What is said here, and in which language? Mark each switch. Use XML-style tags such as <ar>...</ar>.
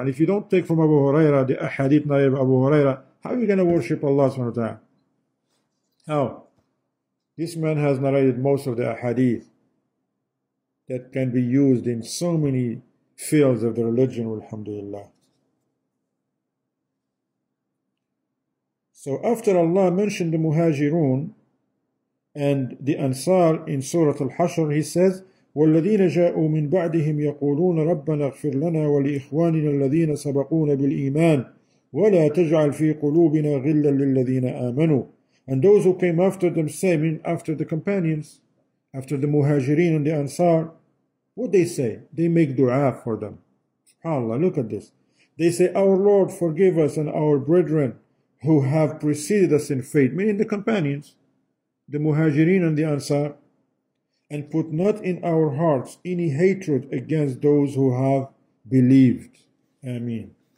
<en>And if you don't take from Abu Huraira, the hadith of Abu Huraira, how are you going to worship Allah subhanahu wa ta'ala? How? This man has narrated most of the hadith that can be used in so many fields of the religion, alhamdulillah. So after Allah mentioned the Muhajirun and the Ansar in Surah Al-Hashr, he says,</en> <ar>وَالَّذِينَ جَاءُوا مِنْ بَعْدِهِمْ يَقُولُونَ رَبَّنَا اغْفِرْ لَنَا وَلِإِخْوَانِنَا الَّذِينَ سَبَقُونَ بِالْإِيمَانِ وَلَا تَجْعَلْ فِي قُلُوبِنَا غِلًّا لِلَّذِينَ آمَنُوا.</ar> <en>And those who came after them, say, mean after the companions, after the Muhajirin and the Ansar, what they say? They make dua for them. SubhanAllah, look at this. They say, our Lord, forgive us and our brethren who have preceded us in faith, meaning the companions, the Muhajirin and the Ansar, and put not in our hearts any hatred against those who have believed. Ameen.</en>